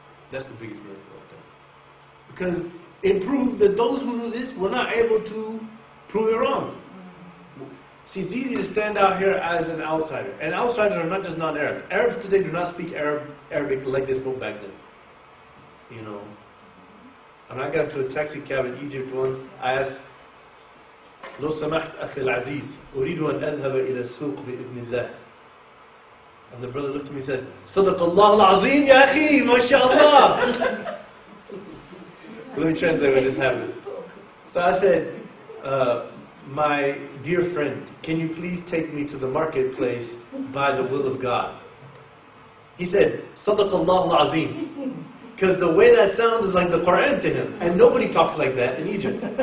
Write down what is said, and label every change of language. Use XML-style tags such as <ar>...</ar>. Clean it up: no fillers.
<en>That's the biggest miracle out there. Because it proved that those who knew this were not able to prove it wrong. See, it's easy to stand out here as an outsider. And outsiders are not just non-Arabs. Arabs today do not speak Arabic like they spoke back then. You know. And I got to a taxi cab in Egypt once. I asked,</en> <ar>لو سمحت أخي العزيز أريد أن أذهب إلى السوق بإذن الله.</ar> <en>And the brother looked at me and said,</en> <ar>صدق الله العظيم يا أخي ما شاء الله.</ar> <en>Let me translate what just happened. So I said, my dear friend, can you please take me to the marketplace by the will of God? He said,</en> <ar>صدق الله العظيم.</ar> <en>Because the way that sounds is like the Quran to him. And nobody talks like that in Egypt.</en>